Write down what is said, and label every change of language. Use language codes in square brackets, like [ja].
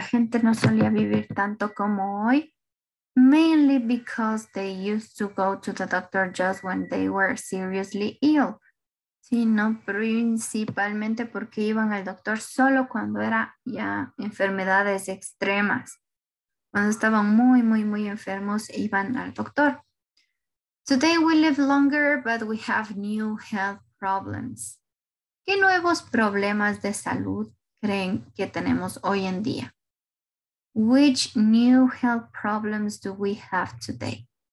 [es] La gente no solía vivir tanto como hoy. [en] Mainly because they used to go to the doctor just when they were seriously ill. [es] Sino principalmente porque iban al doctor solo cuando era ya enfermedades extremas. Cuando estaban muy, muy, muy enfermos, iban al doctor. [en] Today we live longer, but we have new health problems. [es] ¿Qué nuevos problemas de salud creen que tenemos hoy en día? [en] Which new health problems do we have today?